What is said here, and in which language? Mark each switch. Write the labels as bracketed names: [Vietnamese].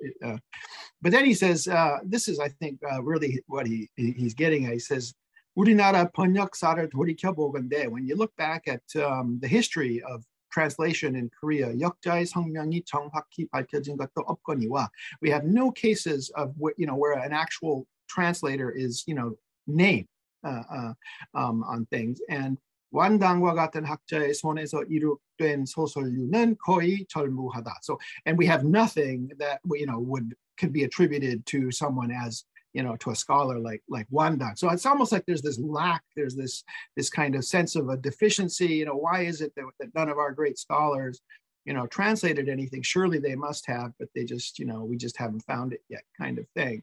[English] But then he says, this is, I think, really what he's getting at. He says, when you look back at the history of translation in Korea, we have no cases of where an actual translator is, you know, named on things. [Korean] And 완당과 같은 학자의 손에서 이룩된 소설류는 거의 절무하다. [English] So, and we have nothing that, you know, could be attributed to someone as, you know, to a scholar like Wandang. So it's almost like there's this lack, there's this kind of sense of a deficiency. You know, why is it that none of our great scholars, you know, translated anything? Surely they must have, but they just, you know, we just haven't found it yet, kind of thing.